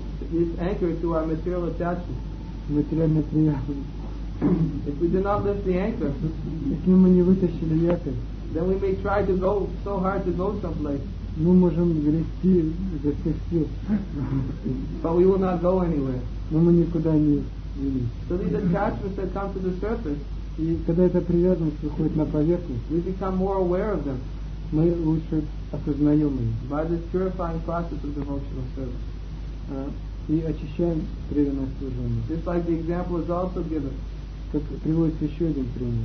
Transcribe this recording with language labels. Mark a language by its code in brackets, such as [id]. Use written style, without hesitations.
[en] this anchor to our material attachment. [ru] Материальное приятное. [en] If we do not lift the anchor, [ru] если мы не вытащили якорь, [en] then we may try to go so hard to go someplace. [ru] Мы можем грести за всех сил. [en] But we will not go anywhere. [ru] Но мы никуда не идем. [en] So these attachments that come to the surface, [ru] и когда эта привязанность выходит на поверхность, [en] we become more aware of them. [ru] Мы лучше осознаем ее. [en] By this purifying process of devotional service. [ru] И очищаем преданное служение. [en] Just like the example is also given. [ru] Как приводится еще один пример.